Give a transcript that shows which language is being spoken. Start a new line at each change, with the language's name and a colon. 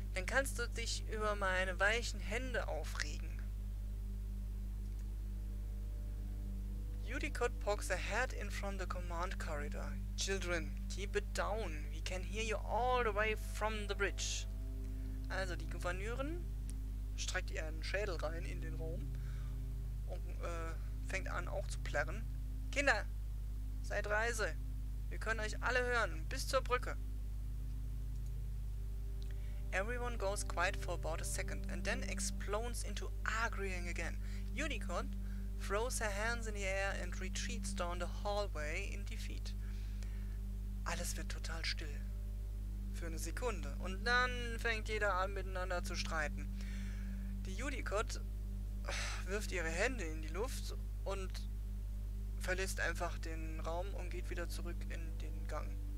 German: Dann kannst du dich über meine weichen Hände aufregen.
English: Judicott pokes a head in from the command corridor. Children, keep it down. We can hear you all the way from the bridge.
German: Also die Gouverneurin streckt ihren Schädel rein in den Raum und fängt an auch zu plärren. Kinder, seid leise. Wir können euch alle hören. Bis zur Brücke.
English: Everyone goes quiet for about a second and then explodes into arguing again. Unicorn throws her hands in the air and retreats down the hallway in defeat.
German: Alles wird total still. Für eine Sekunde. Und dann fängt jeder an, miteinander zu streiten. Die Unicorn wirft ihre Hände in die Luft und verlässt einfach den Raum und geht wieder zurück in den Gang.